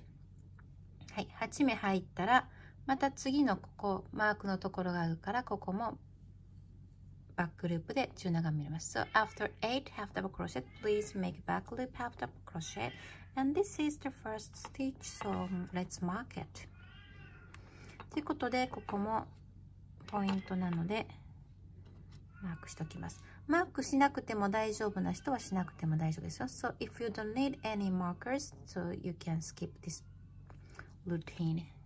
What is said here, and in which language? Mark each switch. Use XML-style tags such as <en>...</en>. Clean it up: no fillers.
<ja>Okay, 8. はい、8目入ったら、また次のここ、マークのところがあるから、ここも。バックループで中長編みます。</ja> <en>So after 8 half double crochet, please make back loop half double crochet. And this is the first stitch, so let's mark it.</en> <ja>ということで、ここもポイントなのでマークしておきます。マークしなくても大丈夫な人はしなくても大丈夫ですよ。</ja> <en>So if you don't need any markers, so you can skip this routine.</en>